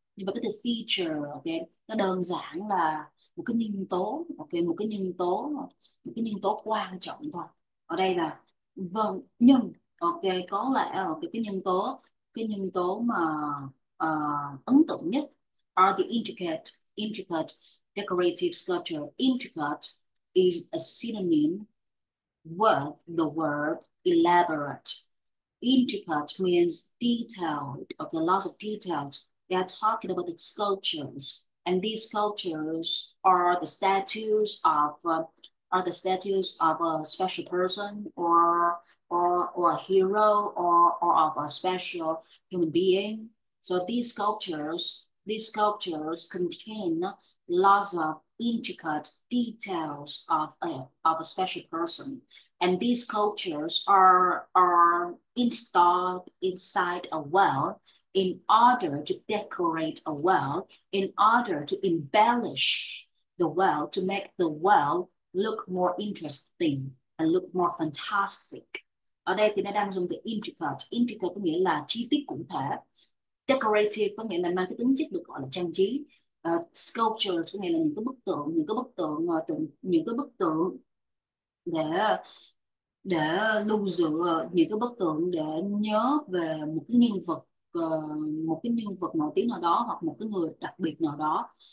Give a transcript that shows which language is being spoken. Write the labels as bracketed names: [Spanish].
[Vietnamese] Nhưng mà cái từ feature, ok, nó đơn giản là một cái nhân tố, ok, một cái nhân tố quan trọng thôi. Ở đây là vâng, nhưng ok, có lẽ cái nhân tố mà ấn tượng nhất are the intricate decorative sculpture. [English] Intricate is a synonym with the word elaborate. Intricate means detailed, of the lots of details. They are talking about the sculptures, and these sculptures are the statues of a special person or a hero or of a special human being. So these sculptures contain lots of intricate details of a special person, and these sculptures are installed inside a well in order to decorate a well, in order to embellish the well, to make the well look more interesting and look more fantastic. [Vietnamese] Ở đây thì nó đang dùng từ intricate. Intricate có nghĩa là chi tiết cụ thể. Decorative có nghĩa là mang cái tính chất được gọi là trang trí. Sculpture có nghĩa là những cái bức tượng để lưu giữ, những cái bức tượng để nhớ về một cái nhân vật nổi tiếng nào đó, hoặc một cái người đặc biệt nào đó.